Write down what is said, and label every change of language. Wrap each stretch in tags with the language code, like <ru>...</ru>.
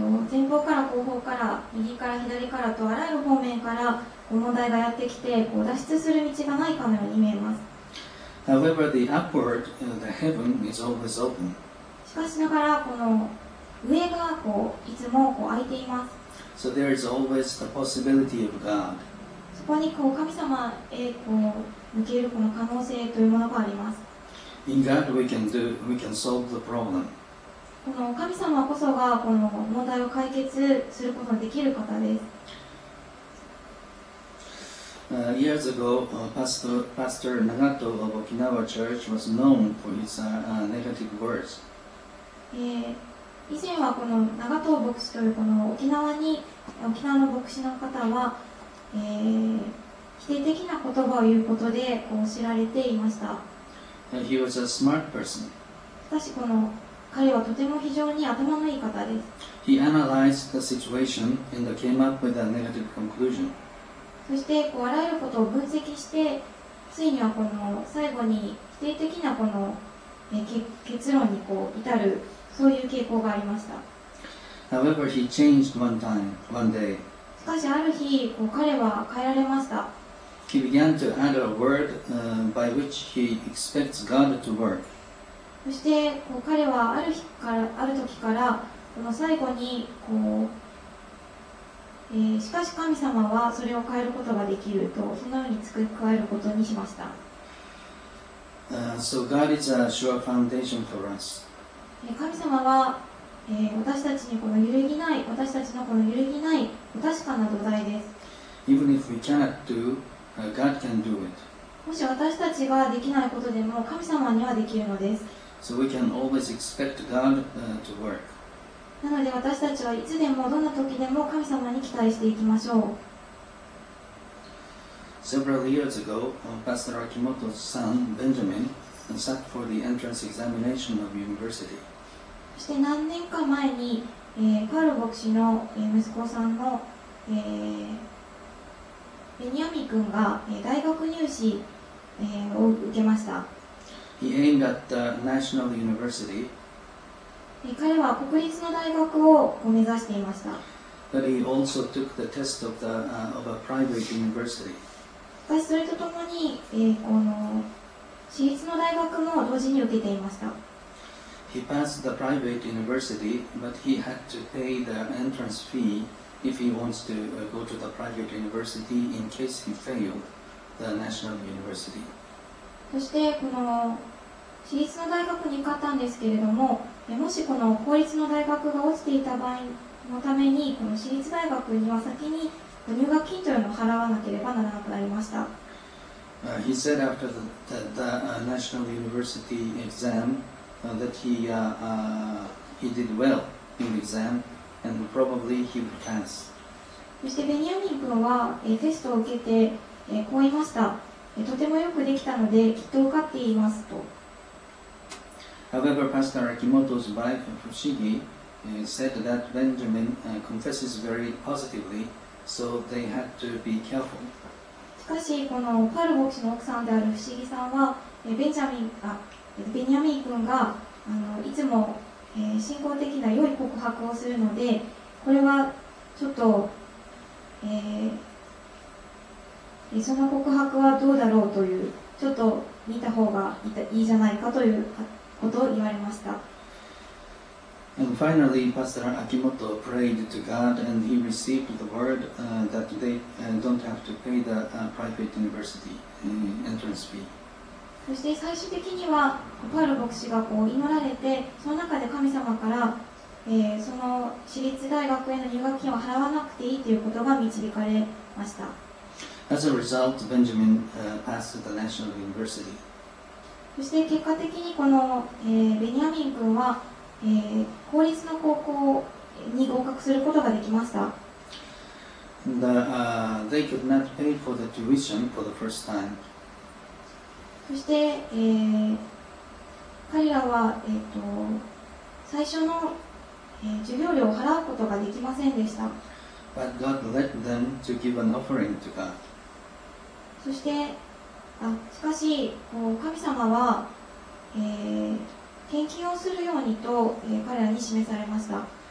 <ja>前方から後方から右から左からとあらゆる方面から問題がやってきて、こう脱出する道がないかのように見えます。</ja> <en>However, the upward, the heaven is always open.</en> <ja>しかしながらこの上がこういつもこう開いています。</ja> <en>So there is always the possibility of God.</en> <ja>そこにこう神様へこう向けるこの可能性というものがあります。</ja> <en>In God we can do, we can solve the problem.</en> <ja>この神様こそがこの問題を解決することができる方です。</ja> <en>Years ago, Pastor Nagato of Okinawa Church was known for his negative words.</en> <ja>以前はこの長藤牧師というこの沖縄の牧師の方は、否定的な言葉を言うことでこう知られていました。</ja> <en>And he was a smart person.</en> <ja>しかしこの彼はとても非常に頭のいい方です。</ja> <en>He analyzed the situation and came up with a negative conclusion.</en> <ja>そしてこうあらゆることを分析して、ついにはこの最後に否定的なこの結論にこう至る、そういう傾向がありました。</ja> <en>However, he changed one time, one day.</en> <ja>しかしある日こう彼は変えられました。</ja> <en>He began to add a word, by which he expects God to work.</en> <ja>そしてこう彼はある日からある時からこの最後にこう、しかし神様はそれを変えることができるとそのように付け加えることにしました。</ja> <en>So God is a sure foundation for us.</en> <ja>神様は私たちにこの揺るぎない私たちのこの揺るぎない確かな土台です。</ja> <en>Even if we cannot do, God can do it.</en> <ja>もし私たちができないことでも神様にはできるのです。</ja> <en>So we can always expect God, to work.</en> <ja>なので私たちはいつでもどんな時でも神様に期待していきましょう。</ja> <en>Several years ago, Pastor Akimoto's son Benjamin sat for the entrance examination of university.</en> <ja>そして何年か前に、パウロ牧師の、息子さんの、ベニヤミ君が、大学入試、を受けました。</ja> <en>He aimed at the National University.</en> <ja>彼は国立の大学を目指していました。</ja> <en>But he also took the test of, the, of a private university.</en> <ja>しかしそれとともに、この私立の大学も同時に受けていました。</ja> <en>He passed the private university, but he had to pay the entrance fee if he wants to go to the private university in case he failed the national university.</en> <ja>そしてこの私立の大学に受かったんですけれども、もしこの公立の大学が落ちていた場合のためにこの私立大学には先に入学金というのを払わなければならなくなりました。</ja> <en>He said after the national university exam,that he did well in the exam and probably he would pass.</en> <ja>そしてベニヤミン君は、テストを受けて、こう言いました、とてもよくできたのできっと受かっていますと。</ja> <en>However, Pastor Akimoto's wife Fushigi said that Benjamin confesses very positively, so they had to be careful.</en> <ja>しかしこのパール牧師の奥さんである Fushigi さんは、ベンジャミンがベニヤミン君がいつも、信仰的な良い告白をするのでこれはちょっと、その告白はどうだろうというちょっと見た方がいいじゃないかということを言われました。</ja> <en>And finally, Pastor Akimoto prayed to God and he received the word that they don't have to pay the private university entrance fee.</en> <ja>そして最終的にはパウロ牧師がこう祈られてその中で神様から、その私立大学への入学金を払わなくていいということが導かれました。</ja> <en>As a result, Benjamin, passed the National University.</en> <ja>そして結果的にこの、ベニヤミン君は、公立の高校に合格することができました。</ja> <en>the, They could not pay for the tuition for the first time.</en> <ja>そして、彼らは、最初の、授業料を払うことができませんでした。</ja> <en>But God let them to give an offering to God.</en> <ja>そしてしかし神様は、献金をするようにと、彼らに示されました。</ja>